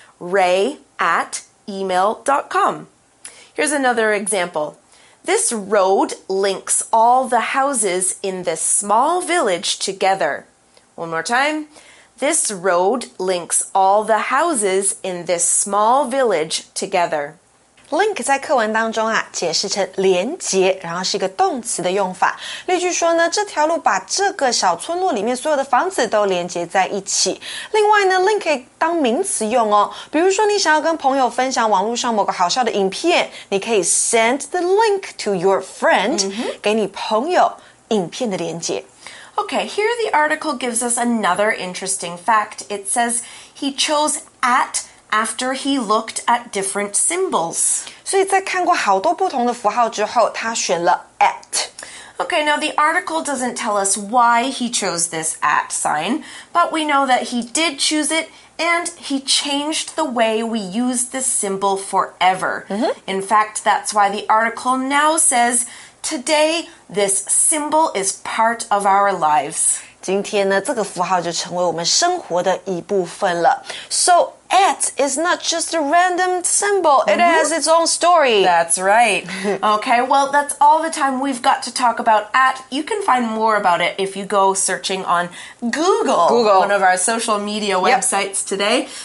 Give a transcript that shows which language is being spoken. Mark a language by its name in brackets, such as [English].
[English] Ray at email.com. Here's another example. This road links all the houses in this small village together. One more time. This road links all the houses in this small village together. [Chinese] Link 在课文当中啊，解释成连接，然后是一个动词的用法。例句说呢，这条路把这个小村落里面所有的房子都连接在一起。另外呢 ，link 可以当名词用哦。比如说，你想要跟朋友分享网络上某个好笑的影片，你可以 [English] send the link to your friend，、 [Chinese] mm-hmm. 给你朋友影片的连接。 [English] Okay, here the article gives us another interesting fact. It says he chose at after he looked at different symbols. 所以在看过好多不同的符号之后，他选了 at. Okay, now the article doesn't tell us why he chose this at sign, but we know that he did choose it and he changed the way we use this symbol forever. Mm-hmm. In fact, that's why the article now says,Today, this symbol is part of our lives. [Chinese] 今天呢，这个符号就成为我们生活的一部分了。 [English] So, at is not just a random symbol. It has its own story. That's right. Okay, well, that's all the time we've got to talk about at. You can find more about it if you go searching on Google, one of our social media websites、yep. today.